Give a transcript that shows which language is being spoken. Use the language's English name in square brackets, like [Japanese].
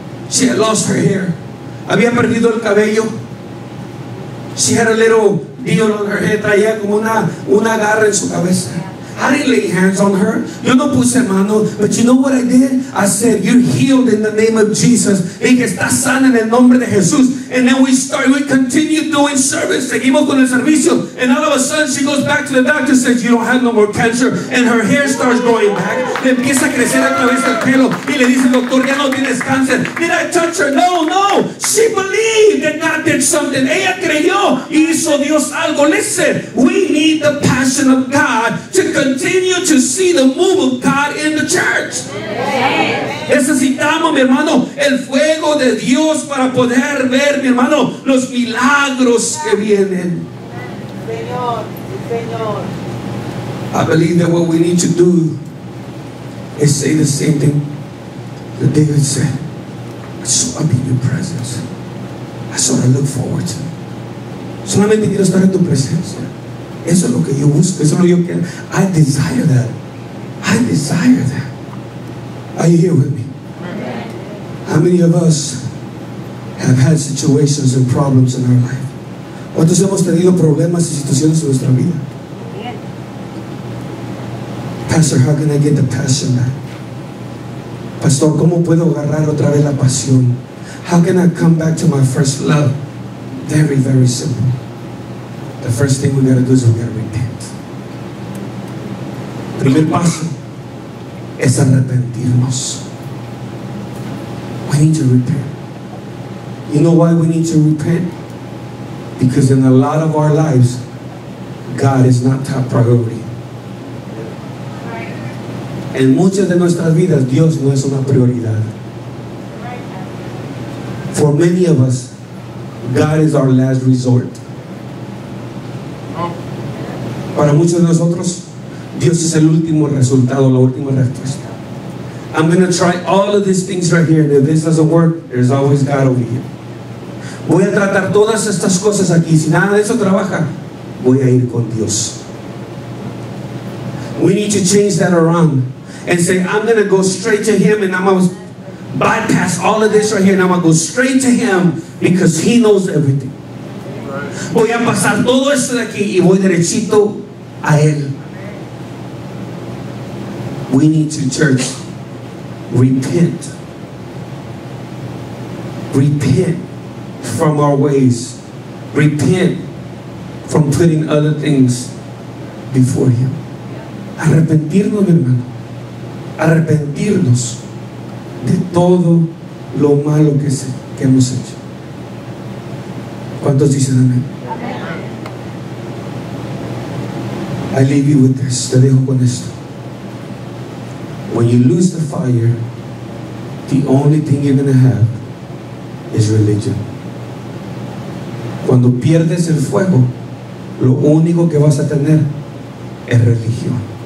[English] She had lost her hair. [Spanish] Había perdido el cabello. [English] She had a little deal on her head. [Spanish] Traía como una garra en su cabeza. [English] I didn't lay hands on her. [Spanish] Yo no puse mano. [English] But you know what I did? I said, you're healed in the name of Jesus. [Spanish] Y que está sana en el nombre de Jesús. [English] And then we continued doing service. [Spanish] Seguimos con el servicio. [English] And all of a sudden, she goes back to the doctor and says, you don't have no more cancer. And her hair starts growing back. [Spanish] Le empieza a crecer a través del pelo. Y le dice, doctor, ya no tienes cáncer. [English] Did I touch her? No, no. She believed that God did something. [Spanish] Ella creyó. Y hizo Dios algo. [English] Listen, we need the passion of God to continue to see the move of God in the church. [Spanish] Necesitamos, mi hermano, el fuego de Dios para poder ver, mi hermano, los milagros que vienen. Señor. [English] I believe that what we need to do is say the same thing that David said. I just want to be in your presence. That's what I look forward to. [Spanish] Solamente quiero estar en tu presencia. Eso es lo que yo busco. Eso es lo que yo quiero. [English] I desire that. I desire that. Are you here with me? How many of us have had situations and problems in our life? [Spanish] ¿Cuántos hemos tenido problemas y situaciones en nuestra vida? [English] Pastor, how can I get the passion back? [Spanish] Pastor, ¿cómo puedo agarrar otra vez la pasión? [English] How can I come back to my first love? Very, very simple. The first thing we got to do is we got to repent. [Spanish] Primer paso es arrepentirnos. [English] We need to repent. You know why we need to repent? Because in a lot of our lives, God is not top priority. [Spanish] En muchas de nuestras vidas, Dios no es una prioridad. [English] For many of us, God is our last resort. [Spanish] Para muchos de nosotros, Dios es el último resultado, la última respuesta. [English] I'm going to try all of these things right here. And if this doesn't work, there's always God over here. [Spanish] Voy a tratar todas estas cosas aquí. Si nada de eso trabaja, voy a ir con Dios. [English] We need to change that around and say, I'm going to go straight to Him and I'm going to bypass all of this right here and I'm going to go straight to Him because He knows everything. [Spanish] Voy a pasar todo esto de aquí y voy derechito a Él. [English] We need to, church, repent. Repent from our ways. Repent from putting other things before Him. [Spanish] Arrepentirnos, mi hermano. Arrepentirnos de todo lo malo que hemos hecho. ¿Cuántos dicen amén? [English] I leave you with this. [Spanish] Te dejo con esto. [English] When you lose the fire, the only thing you're going to have is religion. [Spanish] Cuando pierdes el fuego, lo único que vas a tener es religión.